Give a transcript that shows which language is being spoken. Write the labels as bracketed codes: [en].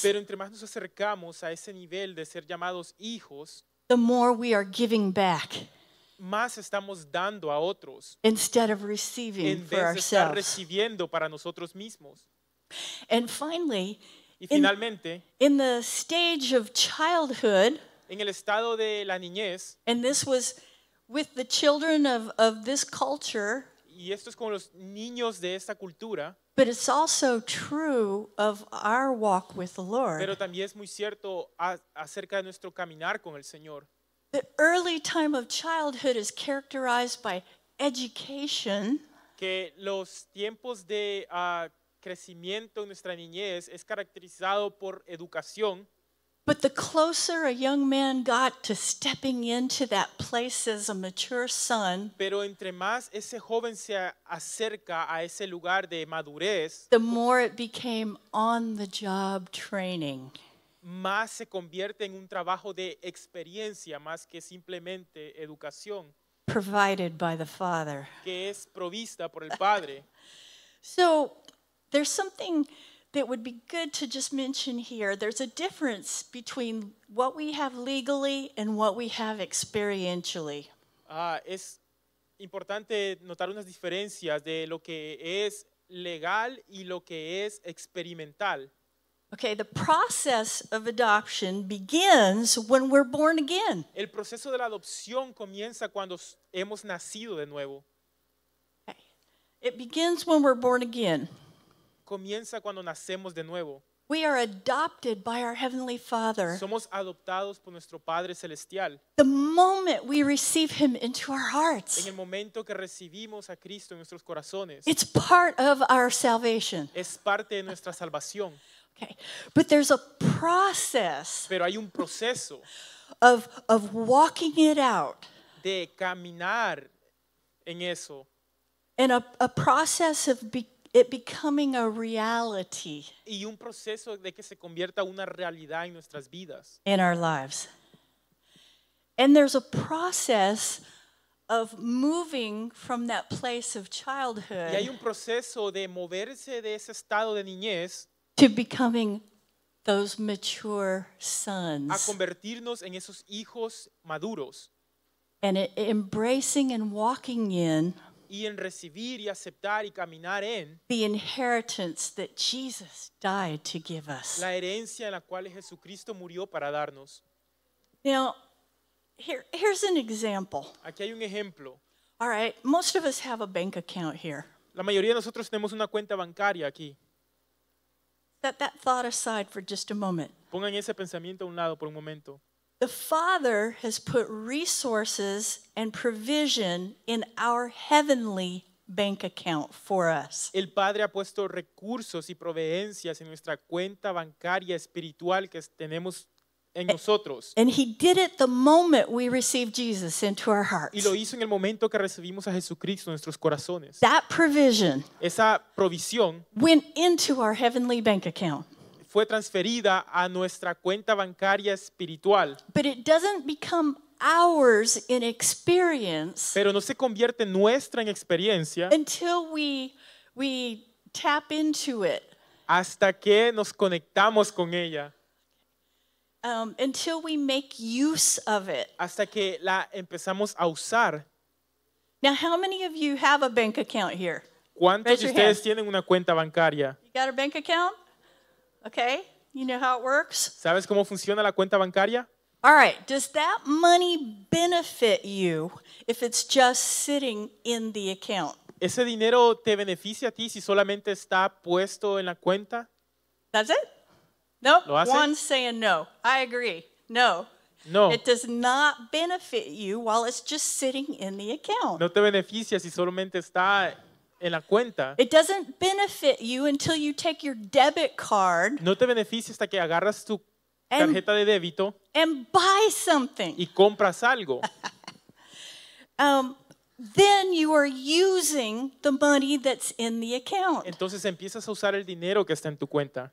[es] pero entre más nos acercamos a ese nivel de ser llamados hijos, [en] the more we are giving back. [es] Más estamos dando a otros. [en] Instead of receiving [es] en vez [en] for [es] de [en] ourselves. [es] Estar recibiendo para nosotros mismos. [en] And finally, [es] y finalmente, [en] in the stage of childhood, [es] en el estado de la niñez, [en] and this was with the children of this culture, [es] y esto es con los niños de esta cultura, [en] but it's also true of our walk with the Lord. [es] Pero también es muy cierto acerca de nuestro caminar con el Señor. [en] The early time of childhood is characterized by education. [es] Que los tiempos de crecimiento en nuestra niñez es caracterizado por educación. [en] But the closer a young man got to stepping into that place as a mature son, [es] pero entre más ese joven se acerca a ese lugar de madurez, [en] the more it became on-the-job training. [es] Más se convierte en un trabajo de experiencia más que simplemente educación. [en] Provided by the father. [es] Que es provista por el padre. [en] So, there's something that would be good to just mention here. There's a difference between what we have legally and what we have experientially. [es] Es importante notar unas diferencias de lo que es legal y lo que es experimental. [en] Okay, the process of adoption begins when we're born again. [es] El proceso de la adopción comienza cuando hemos nacido de nuevo. [en] Okay. It begins when we're born again. [es] Comienza cuando nacemos de nuevo. [en] We are adopted by our Heavenly Father. [es] Somos adoptados por nuestro Padre Celestial. [en] The moment we receive Him into our hearts. [es] En el momento que recibimos a Cristo en nuestros corazones. [en] It's part of our salvation. [es] Es parte de nuestra salvación. [en] Okay. But there's a process. [es] Pero hay un proceso. [en] Of walking it out. [es] De caminar en eso. [en] And a process of it becoming a reality. [es] Y un proceso de que se convierta una realidad en nuestras vidas. [en] In our lives. And there's a process of moving from that place of childhood. [es] Y hay un proceso de moverse de ese estado de niñez. [en] To becoming those mature sons. [es] A convertirnos en esos hijos maduros. [en] And embracing and walking in. [es] Y en recibir y aceptar y caminar en [en] the inheritance that Jesus died to give us. [es] La herencia en la cual Jesucristo murió para darnos. [en] Now, here's an example. [es] Aquí hay un ejemplo. [en] All right, most of us have a bank account here. [es] La mayoría de nosotros tenemos una cuenta bancaria aquí. [en] Set that thought aside for just a moment. [es] Pongan ese pensamiento a un lado por un momento. [en] The Father has put resources and provision in our heavenly bank account for us. [es] El Padre ha puesto recursos y providencias en nuestra cuenta bancaria espiritual que tenemos en nosotros. [en] And He did it the moment we received Jesus into our hearts. [es] Y lo hizo en el momento que recibimos a Jesucristo en nuestros corazones. [en] That provision, [es] esa provisión, [en] went into our heavenly bank account. [es] Fue transferida a nuestra cuenta bancaria espiritual. [en] But it doesn't become ours in experience. [es] Pero no se convierte nuestra en experiencia. [en] Until we tap into it. [es] Hasta que nos conectamos con ella. [en] Until we make use of it. [es] Hasta que la empezamos a usar. [en] Now, how many of you have a bank account here? [es] ¿Cuántos de ustedes tienen una cuenta bancaria? [en] You got a bank account? Okay, you know how it works? [es] ¿Sabes cómo funciona la cuenta bancaria? [en] All right, does that money benefit you if it's just sitting in the account? [es] ¿Ese dinero te beneficia a ti si solamente está puesto en la cuenta? [en] Does it? Nope. [es] ¿Lo hace? [en] Juan's saying no. I agree. No. [es] No. [en] It does not benefit you while it's just sitting in the account. [es] No te beneficia si solamente está en la cuenta. [en] It doesn't benefit you until you take your debit card. [es] No te beneficia hasta que agarras tu tarjeta de débito. [en] And buy something. [es] Y compras algo. um, [en] Then you are using the money that's in the account. [es] Entonces empiezas a usar el dinero que está en tu cuenta.